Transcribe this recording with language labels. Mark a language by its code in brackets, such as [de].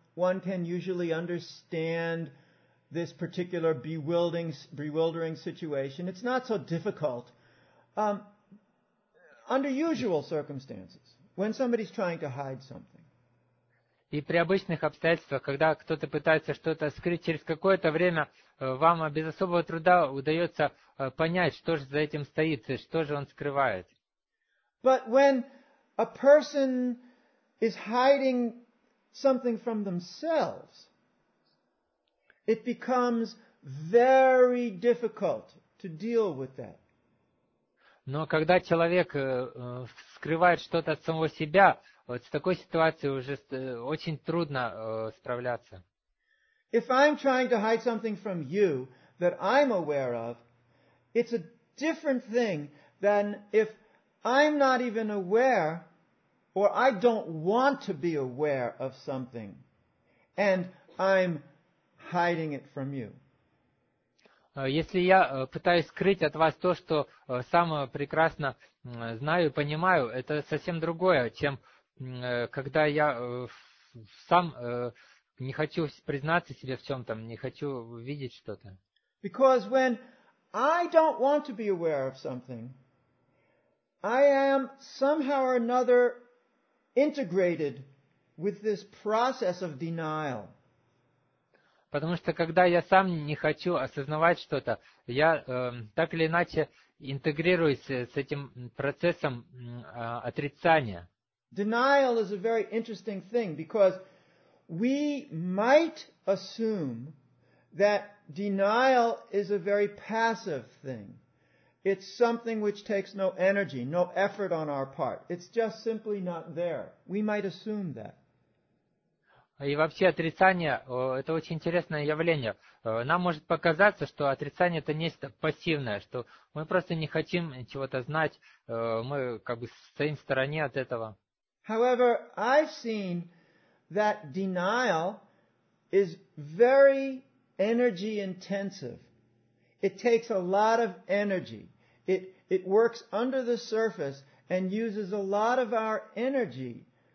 [en] One can usually understand this particular bewildering situation. It's not so difficult. Under usual circumstances, when somebody's trying to hide something. [ru] И при обычных обстоятельствах, когда кто-то пытается что-то скрыть, через какое-то время вам без особого труда удается понять, что же за этим стоит, и что же он скрывает. [en] But when a person is hiding something from themselves, it becomes very difficult to deal with that. [ru] Но когда человек скрывает что-то от самого себя, вот с такой ситуацией уже очень трудно справляться. [en] If I'm trying to hide something from you that I'm aware of, it's a different thing than if I'm not even aware or I don't want to be aware of something and I'm hiding it from you. [ru] Если я пытаюсь скрыть от вас то, что сам прекрасно знаю и понимаю, это совсем другое, чем когда я сам не хочу признаться себе в чем-то, не хочу видеть что-то. [en] Because when I don't want to be aware of something, I am somehow or another integrated with this process of denial. [ru] Потому что когда я сам не хочу осознавать что-то, я так или иначе интегрируюсь с этим процессом отрицания. [en] Denial is a very interesting thing because we might assume that denial is a very passive thing. It's something which takes no energy, no effort on our part. It's just simply not there. We might assume that. [ru] И вообще отрицание – это очень интересное явление. Нам может показаться, что отрицание – это нечто пассивное, что мы просто не хотим чего-то знать, мы как бы стоим в стороне от этого. [en] However, I've seen that denial is very energy intensive. It takes a lot of energy. It works under the surface and uses a lot of our energy.